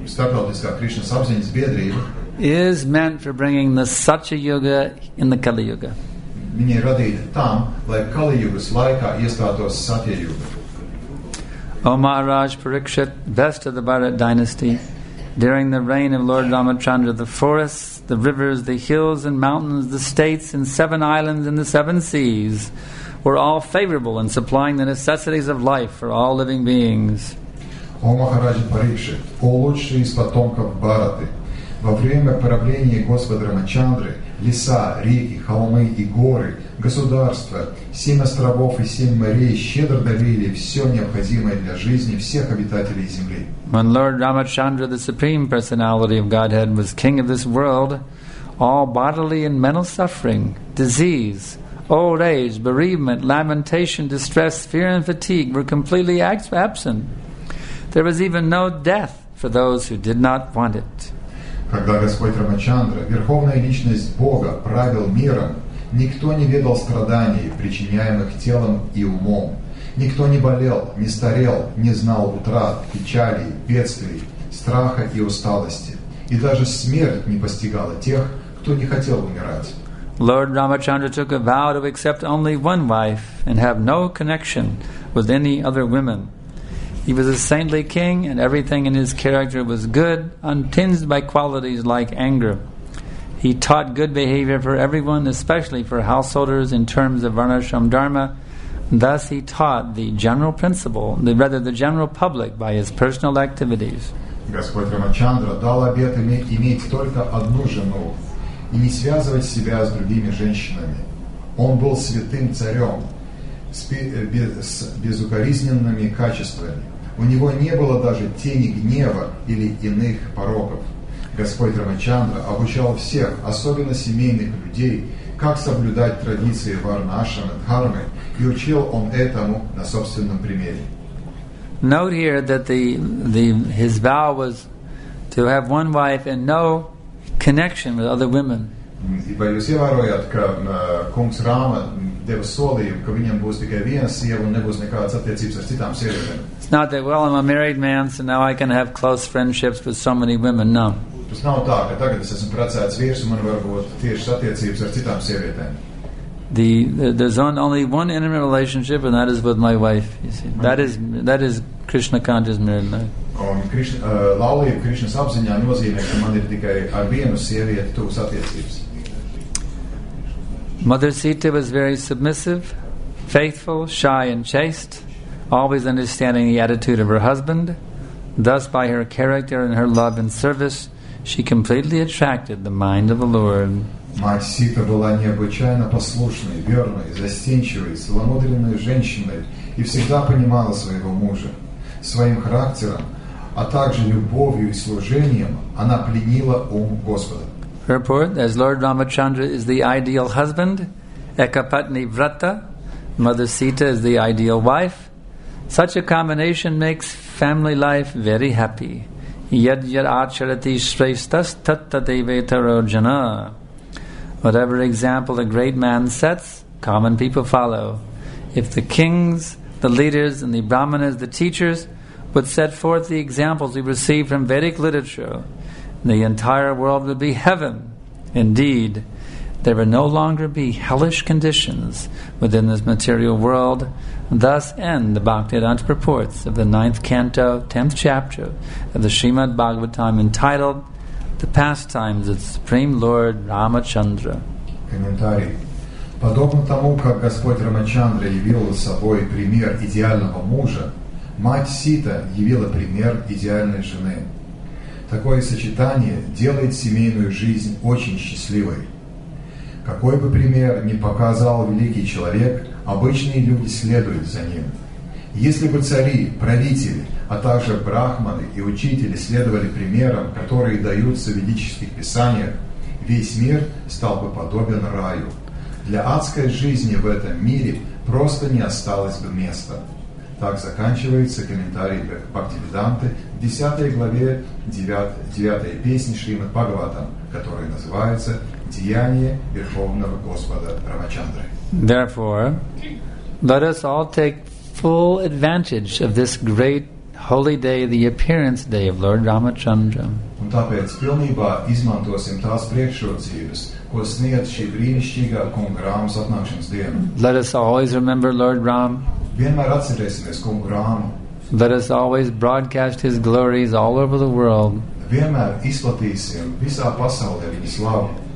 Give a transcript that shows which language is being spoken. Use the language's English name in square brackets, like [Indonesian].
[English] Is meant for bringing the Satya Yuga in the Kali Yuga. [Latvian] Viņi ir radīti tam, lai Kali Yugas laikā iestātos Satya Yuga. [English] O Maharaj Parikshit, best of the Bharat dynasty, during the reign of Lord Ramachandra, the forests, the rivers, the hills and mountains, the states and seven islands and the seven seas were all favorable in supplying the necessities of life for all living beings. [Russian] O Maharaj Parikshit, o лучший из потомков Бхараты, во время правления Господа Рамачандры леса, реки, холмы и горы, государства, семь островов и семь морей щедро дарили все необходимое для жизни всех обитателей земли. [English] When Lord Ramachandra, the Supreme Personality of Godhead, was king of this world, all bodily and mental suffering, disease, old age, bereavement, lamentation, distress, fear and fatigue were completely absent. There was even no death for those who did not want it. [Russian] Когда Господь Рамачандра, верховная личность Бога, правил миром, никто не ведал страданий, причиняемых телом и умом. Никто не болел, не старел, не знал утрат, печали, бедствий, страха и усталости. И даже смерть не постигала тех, кто не хотел умирать. [English] Lord Ramachandra took a vow to accept only one wife and have no connection with any other women. He was a saintly king, and everything in his character was good, untinged by qualities like anger. He taught good behavior for everyone, especially for householders, in terms of Varnashram Dharma. Thus, he taught the general principle, the general public, by his personal activities. [Russian] Господь Рамачандра дал обет иметь только одну жену и не связывать себя с другими женщинами. Он был святым царем с безукоризненными качествами. У него не было даже тени гнева или иных пороков. Господь Рамачандра обучал всех, особенно семейных людей, как соблюдать традиции варнашрама дхармы, и учил он этому на собственном примере. [English] Note here that his vow was to have one wife and no connection with other women. [Russian] Ибо [Latvian] jūs ievērojat, ka kungs Rāma deva solījumu, ka viņam būs tikai viena sieva un nebūs nekādas attiecības ar citām sievietēm. [English] Not that, well, I'm a married man, so now I can have close friendships with so many women. No. [Latvian] Tas nav tā, ka tagad es esmu precēts vīrs, un man var būt tieši attiecības ar citām sievietēm. [English] There's only one intimate relationship, and that is with my wife. You see, that is Krishna conscious marriage. No? [Latvian] Un laulība Krishnas apziņā nozīmē, ka man ir tikai ar vienu sievieti tūs attiecības. [English] Mother Sita was very submissive, faithful, shy and chaste, always understanding the attitude of her husband. Thus, by her character and her love and service, she completely attracted the mind of the Lord. [Russian] Мать Сита была необычайно послушной, верной, застенчивой, целомудренной женщиной и всегда понимала своего мужа. Своим характером, а также любовью и служением, она пленила ум Господа. [English] Report, as Lord Ramachandra is the ideal husband, Ekapatni Vrata, Mother Sita is the ideal wife, such a combination makes family life very happy. [Sanskrit] Yad yad acharati shrestas tatta devetaro jana. [English] Whatever example a great man sets, common people follow. If the kings, the leaders, and the brahmanas, the teachers, would set forth the examples we receive from Vedic literature, the entire world would be heaven, Indeed, there will no longer be hellish conditions within this material world. Thus end the Bhaktivedanta purports of the 9th canto, 10th chapter of the Srimad Bhagavatam entitled The Pastimes of the Supreme Lord Ramachandra. [Russian] Комментарий. Подобно тому, как Господь Рамачандра явил собой пример идеального мужа, мать Сита явила пример идеальной жены. Такое сочетание делает семейную жизнь очень счастливой. Какой бы пример ни показал великий человек, обычные люди следуют за ним. Если бы цари, правители, а также брахманы и учители следовали примерам, которые даются в ведических писаниях, весь мир стал бы подобен раю. Для адской жизни в этом мире просто не осталось бы места. Так заканчивается комментарий Бхактивиданты в 10 главе 9 песни Шримад Бхагаватам, которая называется «Деяние Верховного Господа Рамачандры». [English] Therefore, let us all take full advantage of this great holy day, the appearance day of Lord Ramachandra. [Latvian] Un tāpēc pilnībā izmantosim tās priekšrocības, ko sniedz šī brīnišķīgā kunga Rāmas atnākšanas diena. [English] Let us always remember Lord Ram. [Latvian] Vienmēr atcerēsimies kungu Rāmu. [English] Let us always broadcast his glories all over the world. [Latvian] Vienmēr izplatīsim visā pasaulē viņa slavu.